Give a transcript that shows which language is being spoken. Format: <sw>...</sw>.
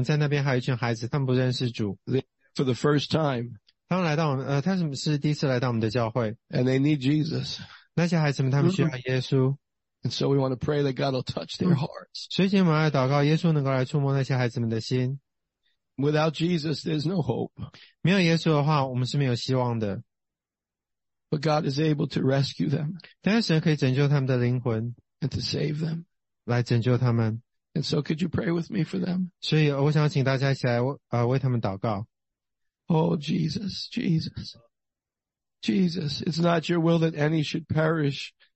<zh>今天早上，在我们的教会，我们在那边还有一群孩子，他们不认识主。</zh> <en>For the first time.</en> <zh>他们来到我们，他们是第一次来到我们的教会。</zh> <en>And they need Jesus.</en> <zh>那些孩子们，他们需要耶稣。</zh> <en>And so we want to pray that God will touch their hearts.</en> <zh>所以今天我们要祷告耶稣能够来触摸那些孩子们的心。</zh> <en>Without Jesus, there's no hope.</en> <zh>没有耶稣的话，我们是没有希望的。</zh> <en>But God is able to rescue them.</en> <zh>但是神可以拯救他们的灵魂。</zh> <en>And to save them.</en> <zh>来拯救他们。</zh> <en>And so could you pray with me for them?</en> <zh>所以我想请大家一起来为他们祷告。</zh> <en>Oh, Jesus, Jesus. Jesus, it's not your will that any should perish.</en>